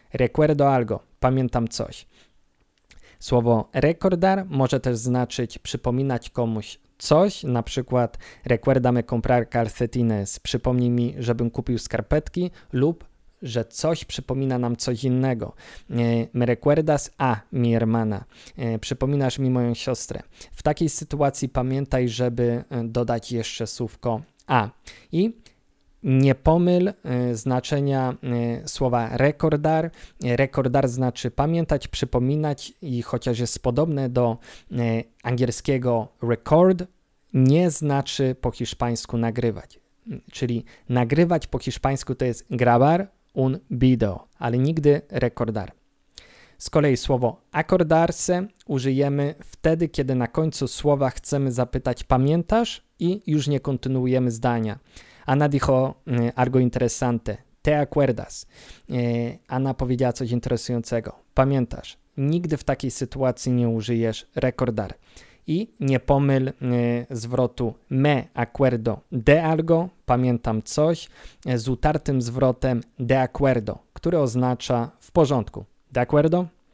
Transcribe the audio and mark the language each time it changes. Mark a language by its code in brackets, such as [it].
[es] Recuerdo algo, [pl] pamiętam coś. Słowo recordar może też znaczyć przypominać komuś coś, na przykład [es] recuérdame comprar calcetines, [pl] przypomnij mi, żebym kupił skarpetki, lub że coś przypomina nam coś innego. [es] Me recuerdas a mi hermana. [pl] Przypominasz mi moją siostrę. W takiej sytuacji pamiętaj, żeby dodać jeszcze słówko a. I nie pomyl znaczenia słowa recordar. Recordar znaczy pamiętać, przypominać i chociaż jest podobne do angielskiego record, nie znaczy po hiszpańsku nagrywać. Czyli nagrywać po hiszpańsku to jest [es] grabar un video, [pl] ale nigdy recordar. Z kolei słowo acordarse użyjemy wtedy, kiedy na końcu słowa chcemy zapytać pamiętasz i już nie kontynuujemy zdania. [es] Ana dijo algo interesante. Te acuerdas. [pl] Ana powiedziała coś interesującego. Pamiętasz, nigdy w takiej sytuacji nie użyjesz recordar. I nie pomyl zwrotu [es] me acuerdo de algo, [pl] pamiętam coś, z utartym zwrotem de acuerdo, który oznacza w porządku. [es] De acuerdo?